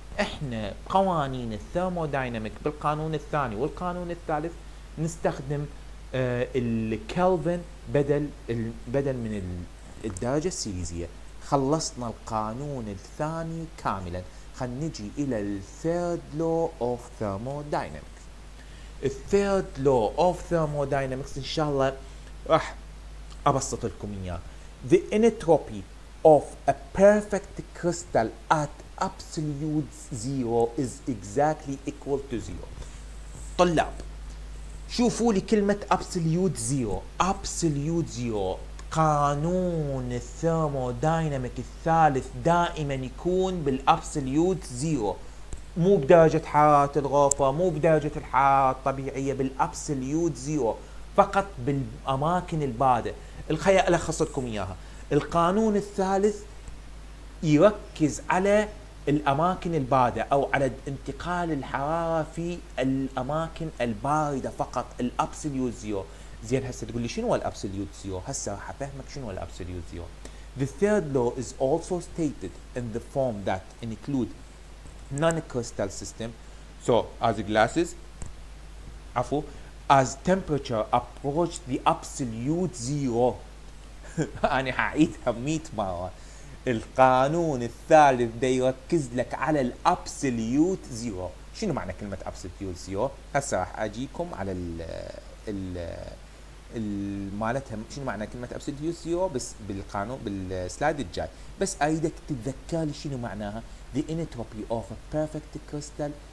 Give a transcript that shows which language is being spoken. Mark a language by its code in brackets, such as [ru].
[ar] احنا قوانين الثيرموديناميك بالقانون الثاني والقانون الثالث نستخدم الكلفن بدل من الدرجة السيليزية. خلصنا القانون الثاني كاملا، خل نجي الى الثيرد لو اوف ثيرمودايناميكس. الثيرد لو اوف ثيرمودايناميكس ان شاء الله راح ابسط لكم اياه. [en] The entropy of a perfect crystal at absolute zero is exactly equal to zero. [ar] طلاب شوفوا لي كلمه absolute zero. قانون الثيرموديناميك الثالث دائما يكون بالابسوليوت زيرو، مو بدرجه حراره الغرفه، مو بدرجه الحراره الطبيعيه، بالابسوليوت زيرو، فقط بالاماكن البارده. الخيال الخص لكم اياها، القانون الثالث يركز على الاماكن البارده او على انتقال الحراره في الاماكن البارده فقط، الابسوليوت زيرو. زين هسه تقول لي شنو الابسوليوت زيرو؟ هسه راح افهمك شنو الابسوليوت زيرو. [en] The third law is also stated in the form that include non-crystal system, so as glasses, [ar] عفوا [en] as temperature approach the absolute zero. [ar] انا حعيدها 100 مرة. القانون الثالث ده يركز لك على الابسوليوت زيرو. شنو معنى كلمة absolute zero؟ هسه راح اجيكم على ال مالتها شنو معنى كلمه ابسوليوتيو بس بالقانون بالسلايد الجاي، بس ايدك تتذكر لي شنو معناها [en] the entropy of a perfect crystal.